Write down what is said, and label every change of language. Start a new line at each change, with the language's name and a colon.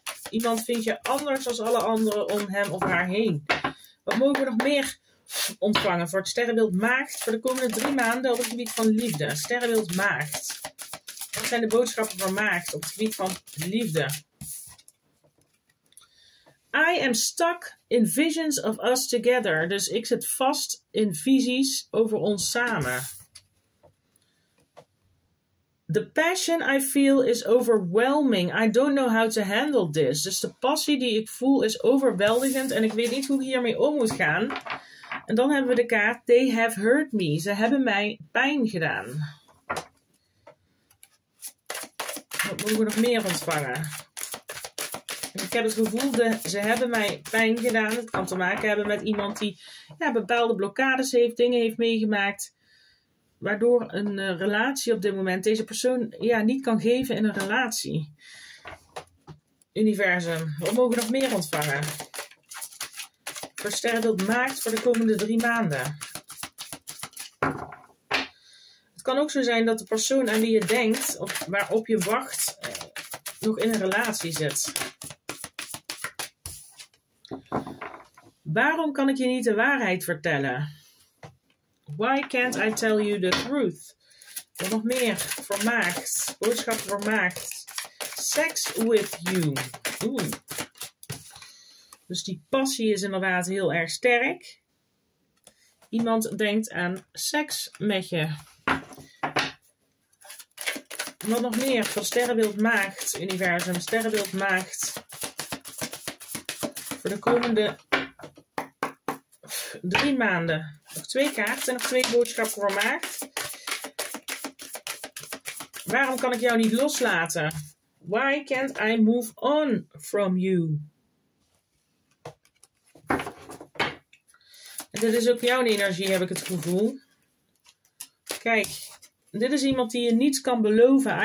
Dutch: Iemand vindt je anders dan alle anderen om hem of haar heen. Wat mogen we nog meer ontvangen voor het sterrenbeeld maagd voor de komende 3 maanden op het gebied van liefde? Sterrenbeeld maagd. Wat zijn de boodschappen van maagd op het gebied van liefde?
English: I am stuck in visions of us together.
Dutch: Dus ik zit vast in visies over ons samen.
English: The passion I feel is overwhelming. I don't know how to handle this.
Dutch: Dus de passie die ik voel is overweldigend. En ik weet niet hoe ik hiermee om moet gaan. En dan hebben we de kaart.
English: They have hurt me.
Dutch: Ze hebben mij pijn gedaan. Wat moeten we nog meer ontvangen? Ik heb het gevoel dat ze hebben mij pijn gedaan. Het kan te maken hebben met iemand die bepaalde blokkades heeft. Dingen heeft meegemaakt. Waardoor een relatie op dit moment deze persoon niet kan geven in een relatie. Universum, wat mogen we nog meer ontvangen? Versterren dat maakt voor de komende 3 maanden. Het kan ook zo zijn dat de persoon aan wie je denkt, of waarop je wacht, nog in een relatie zit. Waarom kan ik je niet de waarheid vertellen?
English: Why can't I tell you the truth?
Dutch: Wat nog meer? Vermaagd. Boodschap vermaagd.
English: Sex with you.
Dutch: Oeh. Dus die passie is inderdaad heel erg sterk. Iemand denkt aan seks met je. Wat nog meer? Van sterrenbeeld maagd, universum. Sterrenbeeld maagd. Voor de komende 3 maanden. Nog 2 kaarten, nog 2 boodschappen voor maagd. Waarom kan ik jou niet loslaten?
English: Why can't I move on from you?
Dutch: En dit is ook jouw energie, heb ik het gevoel. Kijk, dit is iemand die je niets kan beloven.